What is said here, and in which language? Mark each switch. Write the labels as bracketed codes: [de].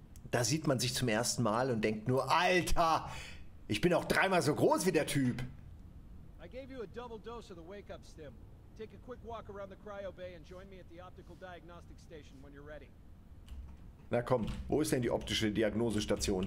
[de] Da sieht man sich zum ersten Mal und denkt nur, Alter, ich bin auch dreimal so groß wie der Typ. [en] I gave you a double dose of the wake-up stim. Take a quick walk around the cryo bay and join me at the optical diagnostic station when you're ready. [de] Na komm, wo ist denn die optische Diagnosestation?